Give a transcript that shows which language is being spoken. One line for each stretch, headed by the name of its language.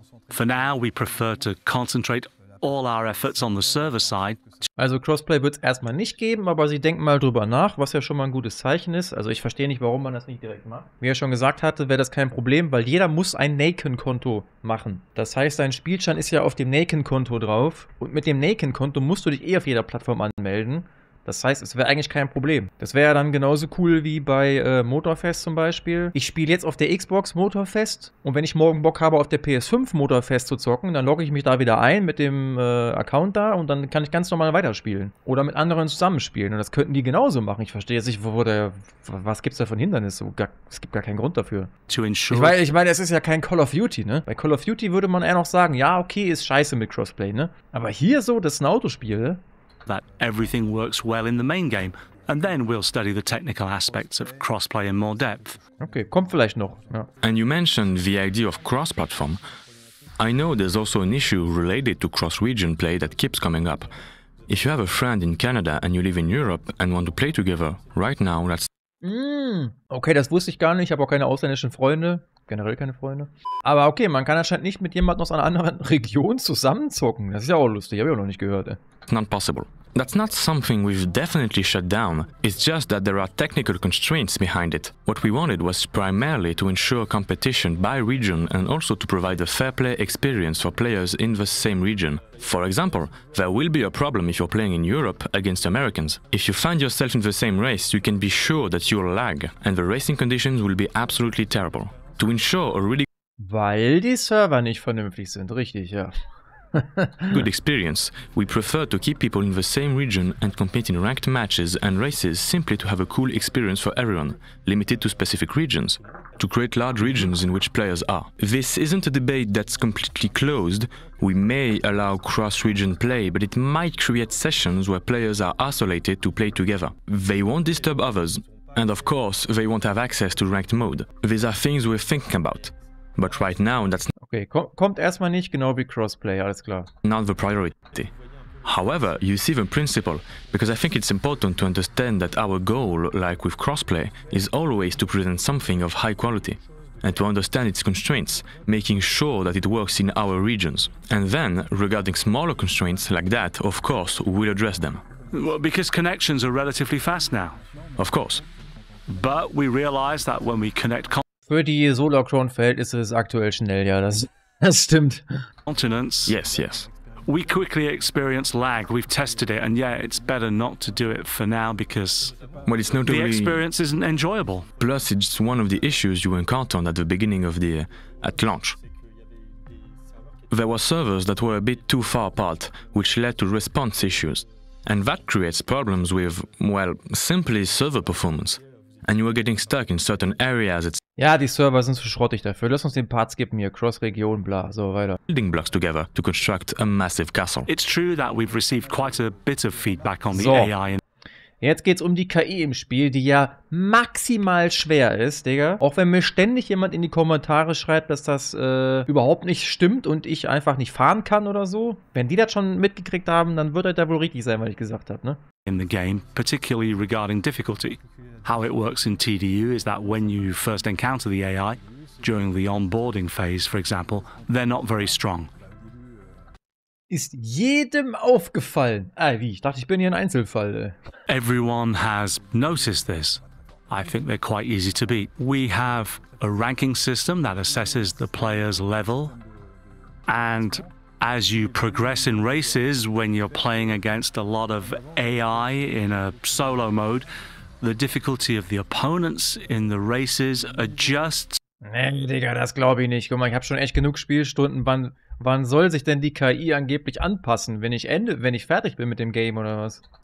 English: For now, we prefer to concentrate all our efforts on the server side.
German: Also Crossplay wird es erstmal nicht geben, aber sie denken mal drüber nach, was ja schon mal ein gutes Zeichen ist. Also ich verstehe nicht, warum man das nicht direkt macht. Wie er schon gesagt hatte, wäre das kein Problem, weil jeder muss ein Naken-Konto machen. Das heißt, dein Spielstand ist ja auf dem Naken-Konto drauf und mit dem Naken-Konto musst du dich eh auf jeder Plattform anmelden. Das heißt, es wäre eigentlich kein Problem. Das wäre ja dann genauso cool wie bei Motorfest zum Beispiel. Ich spiele jetzt auf der Xbox Motorfest und wenn ich morgen Bock habe, auf der PS5 Motorfest zu zocken, dann logge ich mich da wieder ein mit dem Account da und dann kann ich ganz normal weiterspielen. Oder mit anderen zusammenspielen und das könnten die genauso machen. Ich verstehe jetzt nicht, was gibt es da für ein Hindernis? Es gibt gar keinen Grund dafür.
English: To ensure.
German: Ich meine, es ist ja kein Call of Duty, ne? Bei Call of Duty würde man eher noch sagen, ja, okay, ist scheiße mit Crossplay, ne? Aber hier so, das ist ein Autospiel, ne?
English: That everything works well in the main game, and then we'll study the technical aspects of crossplay in more depth.
German: Okay, kommt vielleicht noch. Ja.
English: And you mentioned the idea of cross-platform. I know there's also an issue related to cross-region play that keeps coming up. If you have a friend in Canada and you live in Europe and want to play together, right now that's.
German: Okay, das wusste ich gar nicht. Ich habe auch keine ausländischen Freunde. Generell keine Freunde. Aber okay, man kann anscheinend nicht mit jemandem aus einer anderen Region zusammenzocken. Das ist ja auch lustig. Habe ich auch noch nicht gehört.
English: Not possible. That's not something we've definitely shut down. It's just that there are technical constraints behind it. What we wanted was primarily to ensure competition by region and also to provide a fair play experience for players in the same region. For example, there will be a problem if you're playing in Europe against Americans. If you find yourself in the same race, you can be sure that you'll lag and the racing conditions will be absolutely terrible. To ensure a really.
German: Weil die Server nicht vernünftig sind, richtig, ja.
English: Good experience. We prefer to keep people in the same region and compete in ranked matches and races simply to have a cool experience for everyone, limited to specific regions. to create large regions in which players are. This isn't a debate that's completely closed. We may allow cross-region play, but it might create sessions where players are isolated to play together. They won't disturb others, and of course, they won't have access to ranked mode. These are things we're thinking about. But right now, that's
German: okay, kommt erstmal nicht genau wie Crossplay, alles klar.
English: Not the priority. However, you see the principle, because I think it's important to understand that our goal, like with crossplay, is always to present something of high quality, and to understand its constraints, making sure that it works in our regions. And then, regarding smaller constraints like that, of course, we'll address them. Well, because connections are relatively fast now. Of course. But we realize that when we connect...
German: Für die Solo-Crown-Verhältnisse ist es aktuell schnell, ja, das stimmt.
English: Continents. Yes, yes. We quickly experience lag, we've tested it, and yeah, it's better not to do it for now because well, it's not the really... experience isn't enjoyable. Plus, it's one of the issues you encountered at the beginning of the... at launch. There were servers that were a bit too far apart, which led to response issues. And that creates problems with, well, simply server performance. And you were getting stuck in certain areas, it's...
German: Ja, die Server sind zu schrottig dafür. Lass uns den Part skippen hier. Cross-Region, bla, so weiter.
English: Building blocks together to construct a massive castle. It's true that we've received quite a bit of feedback on so. The AI.
German: Jetzt geht's um die KI im Spiel, die ja maximal schwer ist, Digga. Auch wenn mir ständig jemand in die Kommentare schreibt, dass das überhaupt nicht stimmt und ich einfach nicht fahren kann oder so. Wenn die das schon mitgekriegt haben, dann wird er da wohl richtig sein, was ich gesagt habe, ne?
English: In the game, particularly regarding difficulty. How it works in TDU is that when you first encounter the AI, during the onboarding phase, for example, they're not very strong.
German: Ist jedem aufgefallen? Ah, wie? Ich dachte, ich bin hier ein Einzelfall.
English: Everyone has noticed this. I think they're quite easy to beat. We have a ranking system that assesses the player's level. And as you progress in races, when you're playing against a lot of AI in a solo mode, the difficulty of the opponents in the races adjusts.
German: Nee, Digga, das glaube ich nicht. Guck mal, ich habe schon echt genug Spielstunden. Wann soll sich denn die KI angeblich anpassen, wenn ich fertig bin mit dem Game oder was?